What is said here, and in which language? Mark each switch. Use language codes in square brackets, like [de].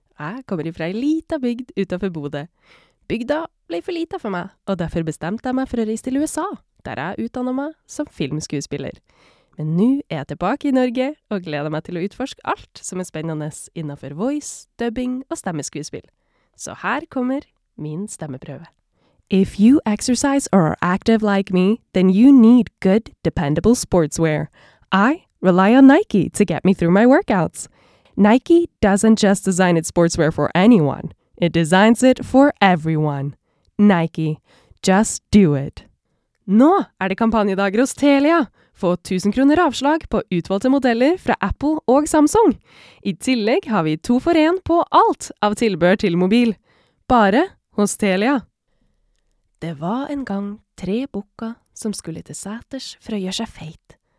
[no] Jeg kommer fra en liten bygd utenfor Bodø. Bygda ble for lite for meg, og derfor bestemte jeg meg for å reise til USA, der jeg utdannet meg som filmskuespiller. Men nå jeg tilbake I Norge og gleder meg til å utforske alt som spennende innenfor voice, dubbing og stemmeskuespill. Så her kommer min stemmeprøve. [en] If you exercise or are active like me, then you need good, dependable sportswear. I rely on Nike to get me through my workouts. Nike doesn't just design its sportswear for anyone. It designs it for everyone. Nike. Just do it. [no] Nå det kampanjedager hos Telia. Få 1000 kroner avslag på utvalgte modeller fra Apple og Samsung. I tillegg har vi 2 for 1 på alt av tilbehør til mobil. Bare hos Telia. Det var en gang 3 bukker som skulle til seters for å gjøre seg feit.